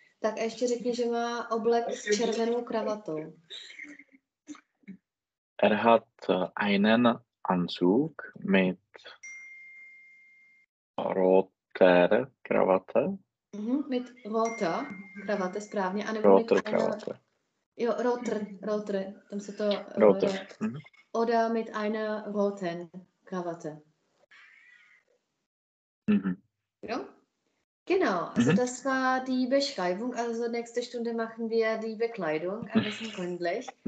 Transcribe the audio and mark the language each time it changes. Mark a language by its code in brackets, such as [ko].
[cs] Tak ještě řekni, že má oblek s červenou kravatou. [de] Er hat einen Anzug mit roter Krawatte. Mit roter Krawatte, [cs] správně. A nebo [de] roter Krawatte. [cs] Jo, roter, tam se to roter. [de] Oder mit einer roten Krawatte. Jo? Genau, also das war die Beschreibung. Also nächste Stunde machen wir die Bekleidung, ein bisschen gründlich.